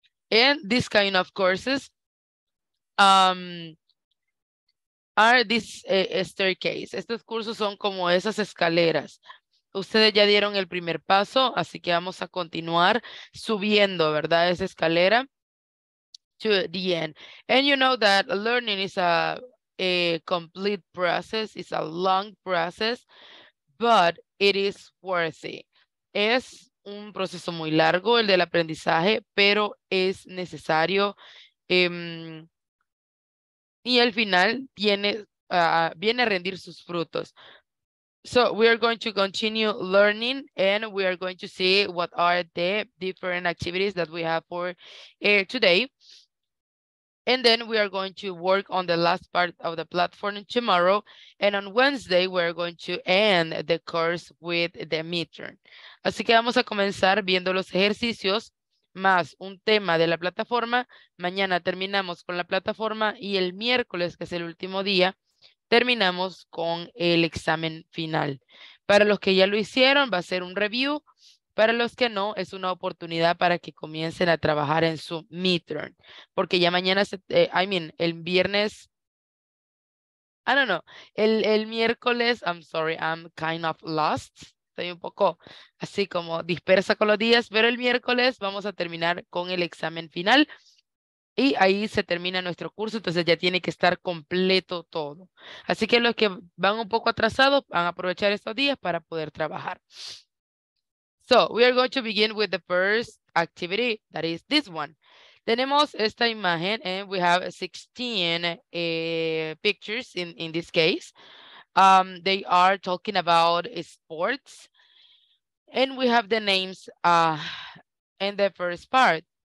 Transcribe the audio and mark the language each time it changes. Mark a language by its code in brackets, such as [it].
[en] And these kind of courses are this staircase. [es] Estos cursos son como esas escaleras. Ustedes ya dieron el primer paso, así que vamos a continuar subiendo, ¿verdad? Esa escalera [en] to the end. And you know that learning is a complete process. It's a long process, but it is worth it. [es] Es un proceso muy largo, el del aprendizaje, pero es necesario. Y al final viene a rendir sus frutos. [en] So we are going to continue learning and we are going to see what are the different activities that we have for today. And then we are going to work on the last part of the platform tomorrow. And on Wednesday, we're going to end the course with the midterm. [es] Así que vamos a comenzar viendo los ejercicios más un tema de la plataforma. Mañana terminamos con la plataforma y el miércoles, que es el último día, terminamos con el examen final. Para los que ya lo hicieron, va a ser un review. Para los que no, es una oportunidad para que comiencen a trabajar en su midterm. Porque ya mañana, el miércoles, [en] I'm sorry, I'm kind of lost. [es] Estoy un poco así como dispersa con los días, pero el miércoles vamos a terminar con el examen final. Y ahí se termina nuestro curso, entonces ya tiene que estar completo todo. Así que los que van un poco atrasados, van a aprovechar estos días para poder trabajar. [en] So, we are going to begin with the first activity, that is this one. [es] Tenemos esta imagen, [en] and we have 16 pictures in this case. They are talking about sports, and we have the names in the first part.